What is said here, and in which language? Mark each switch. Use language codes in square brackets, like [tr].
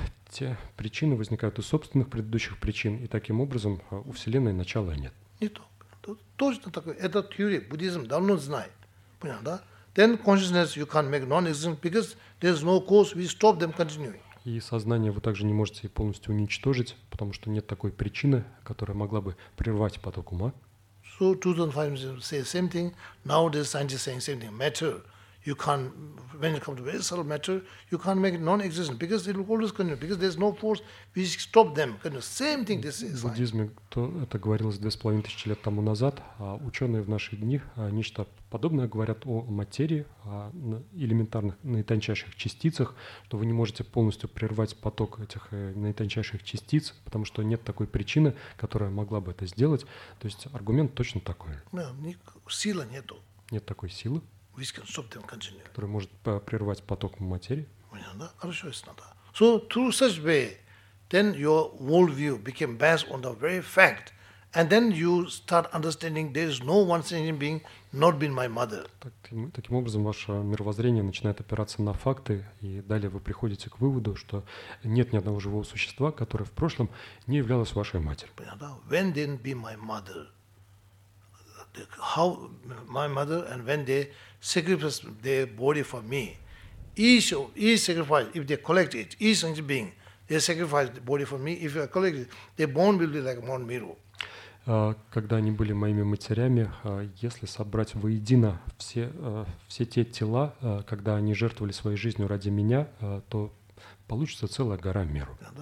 [ru] Те причины возникают из собственных предыдущих причин, и таким образом у Вселенной начала нет. Не то. Точно такое. Это теория. Буддизм давно знает. Понятно, да? [en] Then consciousness you can't make non-existent because there's no cause. We stop them continuing. [ru] И сознание вы также не можете полностью уничтожить, потому что нет такой причины, которая могла бы прервать поток ума. [en] So 2005 say the same thing. Now the scientists saying same thing. Matter, you can't when it comes to very subtle matter, you can't make it non-existent because it will always continue because there's no force. We stop them. Same thing. This is. [ru] В буддизме это говорилось 2500 лет тому назад, а ученые в наши дни нечто подобное говорят о материи, о элементарных, наитончайших частицах, что вы не можете полностью прервать поток этих наитончайших частиц, потому что нет такой причины, которая могла бы это сделать. То есть аргумент точно такой. Силы нету. Нет такой силы, которая может прервать поток материи. Понятно, хорошо, если надо. [en] So through such way, then your worldview became based on the very fact. And then you start understanding there is no one sentient being not been my mother. [ru] Таким образом, ваше мировоззрение начинает опираться на факты, и далее вы приходите к выводу, что нет ни одного живого существа, которое в прошлом не являлось вашей матерью. Понятно? [en] When they be my mother? How my mother and when they sacrifice their body for me? Each sacrifice, if they collect it, each sentient being, they sacrifice the body for me. If they collect it, their bone will be like one mirror. [ru] Когда они были моими матерями, если собрать воедино все те тела, когда они жертвовали своей жизнью ради меня, то получится целая гора меру.